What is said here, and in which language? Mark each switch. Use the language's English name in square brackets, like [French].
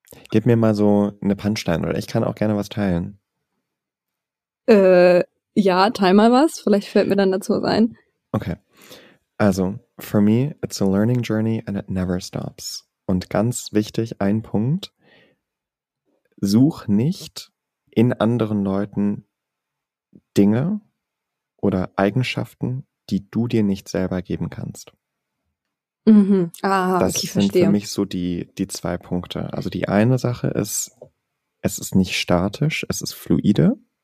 [German] gib mir mal so eine Punchline, oder ich kann auch gerne was teilen. Ja, teil mal was. Vielleicht fällt mir dann dazu was ein. Okay. [English] Also, for me, it's a learning journey and it never stops. [German] Und ganz wichtig, ein Punkt. Such nicht in anderen Leuten Dinge oder Eigenschaften, die du dir nicht selber geben kannst. Das sind für mich so die zwei Punkte. Also die eine Sache ist, es ist nicht statisch, es ist fluide.